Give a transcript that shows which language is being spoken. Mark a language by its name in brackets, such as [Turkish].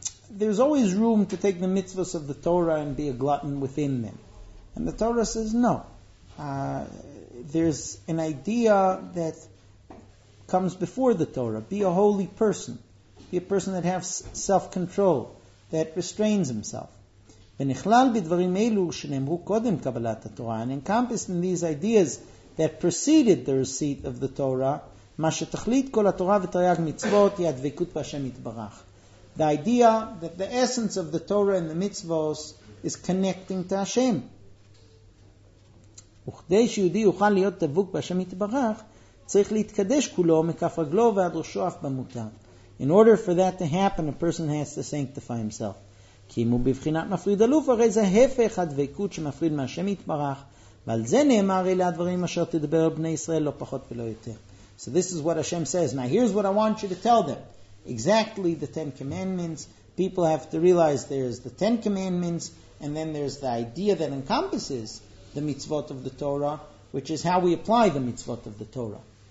[English] There's always room to take the mitzvahs of the Torah and be a glutton within them. And the Torah says no. There's an idea that comes before the Torah. Be a holy person. Be a person that has self-control, that restrains himself. [Hebrew] ונכלל בדברים אלו שנאמרו קודם קבלת התורה, [English] and encompassed in these ideas that preceded the receipt of the Torah, [Hebrew] מה שתכלית כל התורה ותרי"ג מצוות היא הדבקות בהשם יתברך. [English] The idea that the essence of the Torah and the mitzvos is connecting to Hashem. [Hebrew] וכדי שיהודי יוכל להיות דבוק בהשם יתברך, צריך להתקדש כולו מכף רגלו ועד ראשו אף במותר. [English] In order for that to happen, a person has to sanctify himself. [Hebrew] כי אם הוא בבחינת מפריד אלוף, הרי זה הפך הדבקות שמפריד מהשם יתברך, ועל זה נאמר אלה הדברים אשר תדבר בני ישראל לא פחות ולא יותר. [English] So this is what Hashem says. Now here's what I want you to tell them. Exactly the Ten Commandments. People have to realize there's the Ten Commandments, and then there's the idea that encompasses the mitzvot of the Torah, which is how we apply the mitzvot of the Torah.